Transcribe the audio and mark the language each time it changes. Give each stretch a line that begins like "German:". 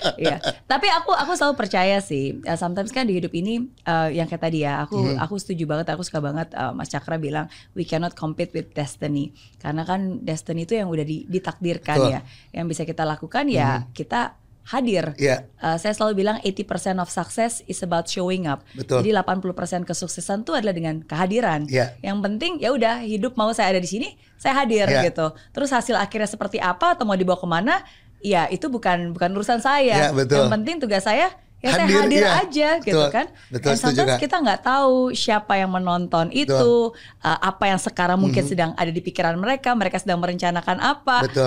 Indonesian: Ya. Tapi aku selalu percaya sih. Sometimes kan di hidup ini yang kayak tadi ya, aku setuju banget, aku suka banget Mas Cakra bilang
English: we cannot compete with destiny.
Indonesian: Karena kan destiny itu yang udah ditakdirkan. Betul. Ya. Yang bisa kita lakukan ya kita hadir. Yeah. Saya selalu bilang
English: 80% of success is about showing up.
Indonesian: Betul. Jadi 80% kesuksesan itu adalah dengan kehadiran. Yeah. Yang penting ya udah hidup mau saya ada di sini, saya hadir gitu. Terus hasil akhirnya seperti apa atau mau dibawa kemana, ya itu bukan urusan saya. Yeah, betul. Yang penting tugas saya ya hadir, saya hadir aja gitu kan. Betul,
English: and sometimes
Indonesian: kita nggak tahu siapa yang menonton itu, apa yang sekarang mungkin sedang ada di pikiran mereka, mereka sedang merencanakan apa.